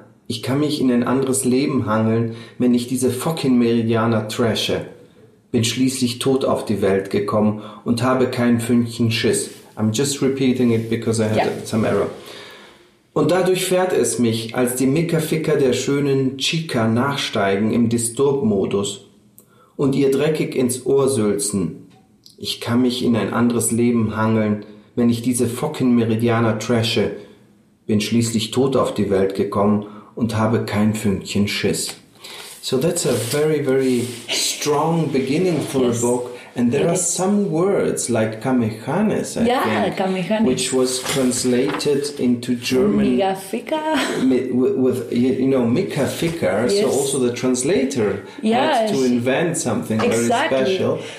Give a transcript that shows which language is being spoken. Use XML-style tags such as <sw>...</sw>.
<de>Ich kann mich in ein anderes Leben hangeln, wenn ich diese fucking Meridianer trashe. Bin schließlich tot auf die Welt gekommen und habe kein Fünkchen Schiss.</de> <en>I'm just repeating it because I had some error.</en> <de>Und dadurch fährt es mich, als die Mickerficker der schönen Chica nachsteigen im Disturb-Modus und ihr dreckig ins Ohr sülzen. Ich kann mich in ein anderes Leben hangeln, wenn ich diese fucking Meridianer trashe. Bin schließlich tot auf die Welt gekommen und habe kein Fünkchen Schiss.</de> <en>So that's a very, very strong beginning for a book. And there are some words like Kamehanes, Kamehanes, which was translated into German.</en> <de>Mickerficker.</de> <en>With, you know, Mickerficker. Yes. So also the translator had to invent something very special.</en>